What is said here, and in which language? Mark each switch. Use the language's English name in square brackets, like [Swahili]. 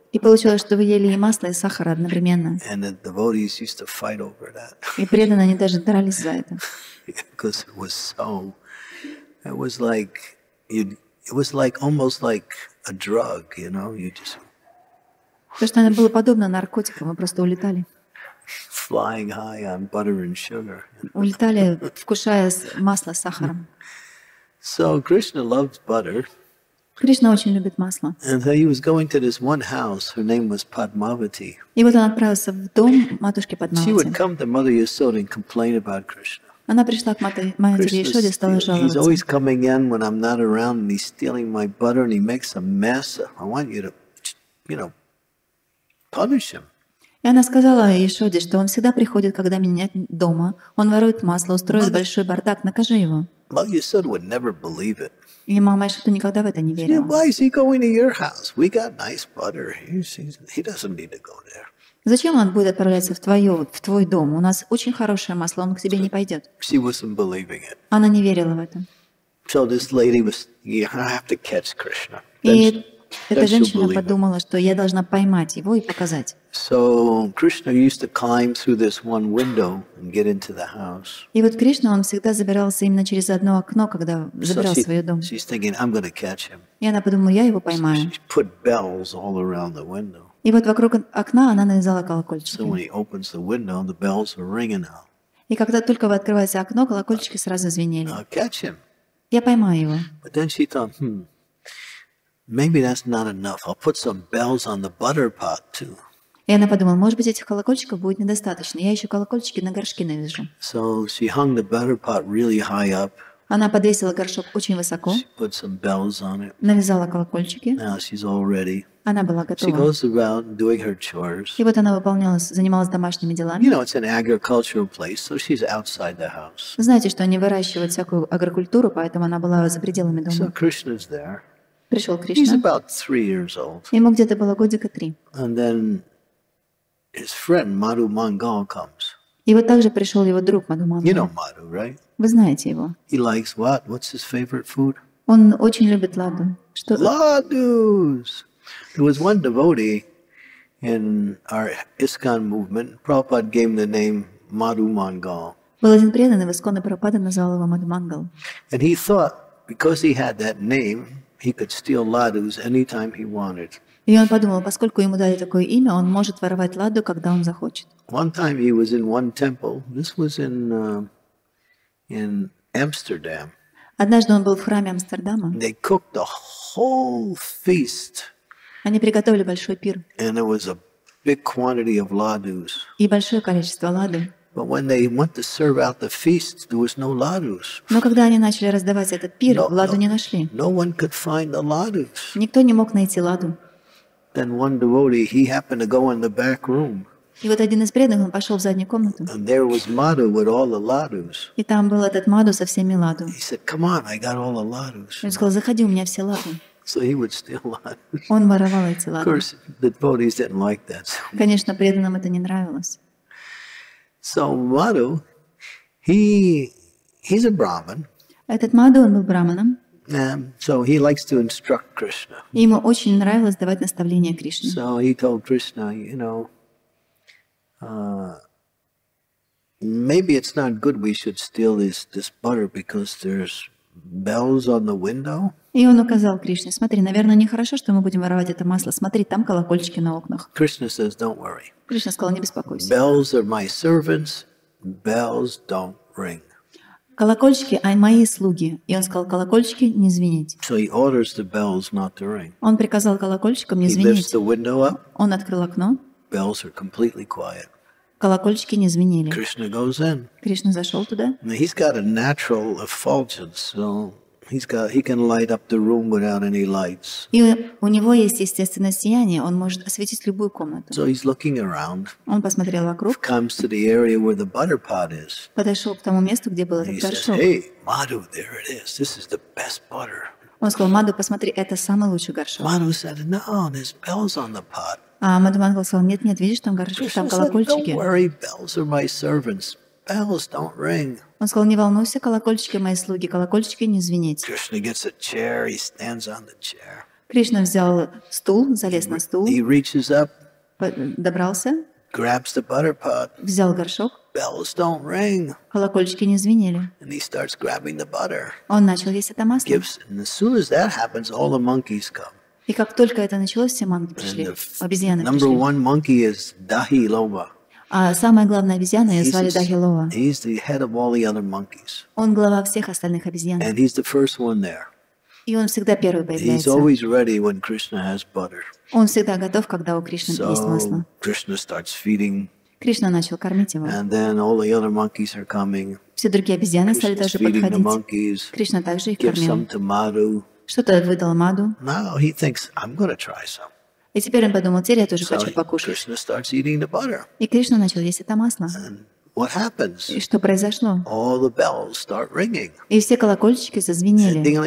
[Russian] И получилось, что вы ели и масло, и сахар одновременно. [English] And the devotees used to fight over that. [Russian] И преданные, они даже дрались за это. [English] Because it was so, it was like almost like a drug, you know, you just. [Russian] То, что оно было подобно наркотикам, мы просто улетали. [English] Flying high on butter and sugar. [Russian] Улетали, вкушая масло с сахаром. [English] So Krishna loves butter. [Russian] Кришна очень любит масло. [English] And he was going to this one house, her name was Padmavati. [Russian] И вот он отправился в дом матушки Падмавати. [English] She would come to Mother Yasoda and complain about Krishna. [Russian] Она пришла к матери Ясоде и стала жаловаться. [English] He's always coming in when I'm not around and he's stealing my butter and he makes a mess. I want you to, you know, punish him. [Russian] И она сказала Ясоде, что он всегда приходит, когда меня нет дома. Он ворует масло, устроит большой бардак. Накажи его. [English] Mother Yasoda would never believe it. [Russian] И мама Ясода никогда в это не верила. [English] Why is he going to your house? We got nice butter. He doesn't need to go there. [Russian] Зачем он будет отправляться в твой дом? У нас очень хорошее масло. Он к тебе не пойдет. [English] She wasn't believing it. [Russian] Она не верила в это. [English] So this lady was, you have to catch Krishna. [Russian] Эта женщина подумала, что я должна поймать его и показать. [English] So Krishna used to climb through this one window and get into the house. [Russian] И вот Кришна, он всегда забирался именно через одно окно, когда забирал свой дом. [English] She's thinking, I'm going to catch him. [Russian] И она подумала, я его поймаю. [English] So she put bells all around the window. [Russian] И вот вокруг окна она навязала колокольчики. [English] So when he opens the window, the bells are ringing out. [Russian] И когда только вы открываете окно, колокольчики сразу звенели. [English] I'll catch him. [Russian] Я поймаю его. [English] But then she thought, maybe that's not enough. I'll put some bells on the butter pot too. [Russian] И она подумала, может быть, этих колокольчиков будет недостаточно. Я еще колокольчики на горшки навяжу. [English] So she hung the butter pot really high up. [Russian] Она подвесила горшок очень высоко. [English] She put some bells on it. [Russian] Навязала колокольчики. [English] Now she's all ready. [Russian] Она была готова. [English] She goes about doing her chores. [Russian] И вот она выполнялась, занималась домашними делами. [English] You know, it's an agricultural place, so she's outside the house. [Russian] Знаете, что они выращивают всякую агрокультуру, поэтому она была за пределами дома. [English] So Krishna's there. [Russian] Пришел Кришна. [English] He's about 3 years old. [Russian] Ему где-то было годика три. [English] And then his friend Madhu Mangal comes. [Russian] И вот также пришел его друг Madhu Mangal. [English] You know Madhu, right? [Russian] Вы знаете его. [English] He likes what? What's his favorite food? [Russian] Он очень любит ладу. Что? Ладус! [English] There was one devotee in our ISKCON movement. Prabhupada gave him the name Madhu Mangal. [Russian] Был один преданный в ISKCON, и Прабхупада назвал его Madhu Mangal. [English] And he thought, because he had that name, he could steal ladus anytime he wanted. [Russian] И он подумал, поскольку ему дали такое имя, он может воровать ладу, когда он захочет. [English] One time he was in one temple. This was in Amsterdam. [Russian] Однажды он был в храме Амстердама. [English] They cooked a whole feast. [Russian] Они приготовили большой пир. [English] And it was a big quantity of ladus. [Russian] И большое количество ладу. [English] But when they went to serve out the feast, there was no ladus. [Russian] Но когда они начали раздавать этот пир, ладу не нашли. [English] No one could find the ladus. [Russian] Никто не мог найти ладу. [English] Then one devotee, he happened to go in the back room. [Russian] И вот один из преданных, он пошел в заднюю комнату. [English] And there was Madhu with all the ladus. [Russian] И там был этот Madhu со всеми ладу. [English] He said, "Come on, I got all the ladus." [Russian] Он сказал, "Заходи, у меня все ладу." [English] So he would steal ladus. [Russian] Он воровал эти ладу. [English] Of course, the devotees didn't like that. [Russian] Конечно, преданным это не нравилось. [English] So Madhu, he's a Brahmin. [Russian] Этот Madhu, он был Брахманом. [English] So he likes to instruct Krishna. [Russian] Ему очень нравилось давать наставления Кришне. [English] So he told Krishna, you know, maybe it's not good we should steal this butter because there's bells on the window. [Russian] И он указал Кришне, смотри, наверное, нехорошо, что мы будем воровать это масло. Смотри, там колокольчики на окнах. [English] Krishna says, don't worry. [Russian] Кришна сказал, не беспокойся. [English] Bells are my servants, bells don't ring. [Russian] Колокольчики, а мои слуги. И он сказал, колокольчики не звенеть. [English] So he orders the bells not to ring. [Russian] Он приказал колокольчикам не [English] he [Russian] звенеть. [English] He lifts the window up. [Russian] Он открыл окно. [English] Bells are completely quiet. [Russian] Колокольчики не звенели. [English] Krishna goes in. [Russian] Кришна зашел туда. [English] Now he's got a natural effulgence, so he can light up the room without any lights. [Russian] И у него есть естественное сияние, он может осветить любую комнату. [English] So he's looking around. [Russian] Он посмотрел вокруг. [English] Comes to the area where the butter pot is. [Russian] Подошел к тому месту, где был этот горшок. [English] Hey, Madhu, there it is. This is the best butter. [Russian] Он сказал, Madhu, посмотри, это самый лучший горшок. [English] Madhu said, no, there's bells on the pot. [Russian] А Madhu Mangal сказал, нет, видишь, там горшок, там колокольчики. [English] Don't worry, bells are my servants. Bells don't ring. [Russian] Он сказал, не волнуйся, колокольчики мои слуги, колокольчики не звенеть. [English] Krishna gets a chair, he stands on the chair. [Russian] Кришна взял стул, залез на стул. [English] He reaches up. [Russian] Добрался. [English] Grabs the butter pot. [Russian] Взял горшок. [English] Bells don't ring. [Russian] Колокольчики не звенели. [English] And he starts grabbing the butter. [Russian] Он начал есть это масло. [English] Gives, and as soon as that happens, all the monkeys come. [Russian] И как только это началось, все [English] манки [Russian] пришли, обезьяны пришли. [English] Number one monkey is Dahi Loba. [Russian] А самая главная обезьяна, ее звали Дахи Лова. [English] He's the head of all the other monkeys. [Russian] Он глава всех остальных обезьян. [English] And he's the first one there. [Russian] И он всегда первый появляется. [English] He's always ready when Krishna has butter. [Russian] Он всегда готов, когда у Кришны есть масло. [English] Krishna starts feeding. [Russian] Кришна начал кормить его. [English] And then all the other monkeys are coming. [Russian] Все другие обезьяны стали тоже подходить. [English] Feeding the monkeys. [Russian] Кришна также их [English] Give [Russian] кормил. [English] Some to Madhu. [Russian] Что-то выдал Madhu. [English] Now he thinks, I'm going to try some. [Russian] И теперь он подумал, теперь я тоже [English] so [Russian] хочу покушать. [English] Krishna starts eating the butter. [Russian] И Кришна начал есть это масло. [English] And what happens? [Russian] И что произошло? [English] All the bells start ringing. [Russian] И все колокольчики зазвенели.